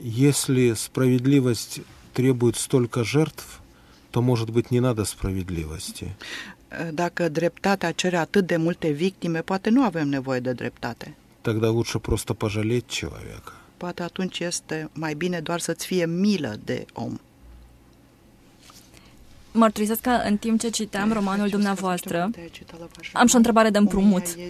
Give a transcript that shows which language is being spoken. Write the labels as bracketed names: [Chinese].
[Russian] Если справедливость требует столько жертв, то, может быть, не надо справедливости. [Romanian] Dacă dreptatea cere atât de multe victime, poate nu avem nevoie de dreptate. [Russian] Тогда лучше просто пожалеть человека. [Romanian] Poate atunci este mai bine doar să-ți fie milă de om. Mărturisesc că în timp ce citeam romanul dumneavoastră, am și o întrebare de împrumut.